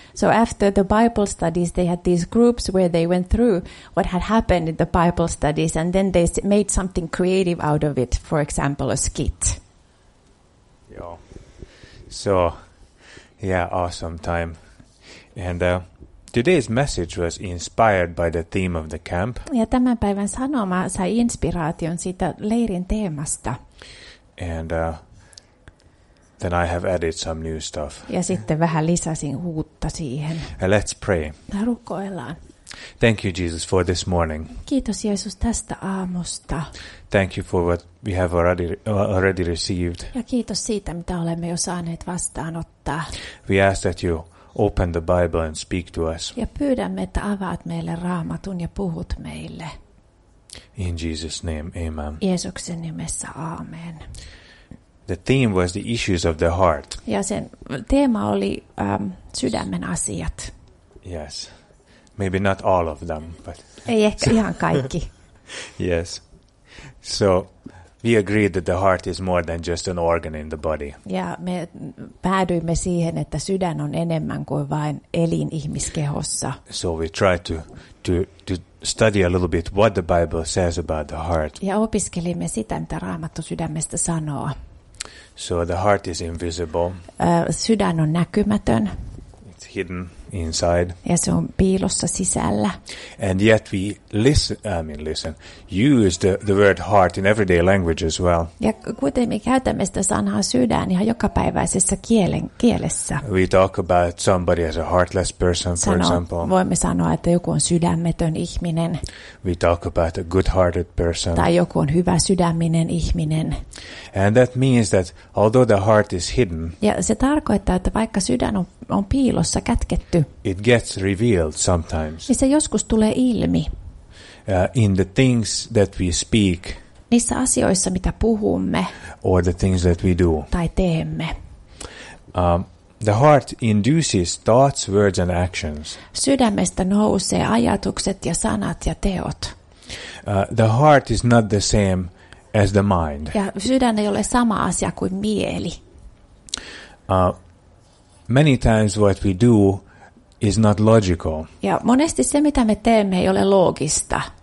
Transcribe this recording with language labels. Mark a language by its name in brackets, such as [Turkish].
[English] So after the Bible studies, they had these groups where they went through what had happened in the Bible studies, and then they made something creative out of it, for example, a skit. Yeah. So Yeah, awesome time. And today's message was inspired by the theme of the camp. [Finnish] Ja tämän päivän sanoma sai inspiraation siitä leirin teemasta. [English] And then I have added some new stuff. [Finnish] Ja sitten vähän lisäsin uutta siihen. [English] And let's pray. [Finnish] Rukoillaan. [English] Thank you, Jesus, for this morning. [Finnish] Kiitos, Jeesus, tästä aamusta. [English] Thank you for what we have already received. [Finnish] Ja kiitos siitä, mitä olemme jo saaneet vastaanottaa. [English] We ask that you open the Bible and speak to us. [Finnish] Ja pyydämme, että avaat meille Raamatun ja puhut meille. [English] In Jesus' name, amen. [Finnish] Jeesuksen nimessä, aamen. [English] The theme was the issues of the heart. [Finnish] Ja sen teema oli sydämen asiat. [English] Yes. Maybe not all of them, but [Finnish] ei ehkä ihan kaikki. [English] Yes. So we agreed that the heart is more than just an organ in the body. [Finnish] Ja me päädyimme siihen, että sydän on enemmän kuin vain elin ihmiskehossa. [English] So we try to study a little bit what the Bible says about the heart. [Finnish] Ja opiskelimme sitä, mitä Raamattu sydämestä sanoo. [English] So the heart is invisible. [Finnish] Sydän on näkymätön. [English] It's hidden inside. [Finnish] Ja se on piilossa sisällä. [English] And yet we listen, use the word heart in everyday language as well. [Finnish] Ja kuten me käytämme sitä sanaa sydän ihan jokapäiväisessä kielessä. [English] We talk about somebody as a heartless person, for example. [Finnish] Voimme sanoa, että joku on sydämetön ihminen. [English] We talk about a good-hearted person. [Finnish] Tai joku on hyvä sydäminen ihminen. [English] And that means that although the heart is hidden, [Finnish] ja se tarkoittaa, että vaikka sydän on piilossa kätketty, [English] it gets revealed sometimes. [Finnish] Niin se joskus tulee ilmi. [English] In the things that we speak, [Finnish] niissä asioissa, mitä puhumme, [English] or the things that we do, [Finnish] tai teemme. [English] The heart induces thoughts, words and actions. [Finnish] Sydämestä nousee ajatukset ja sanat ja teot. [English] The heart is not the same as the mind. [Finnish] Ja sydän ei ole sama asia kuin mieli. [English] Many times what we do is not logical. [Finnish] Ja monesti se, mitä me teemme, ei ole loogista.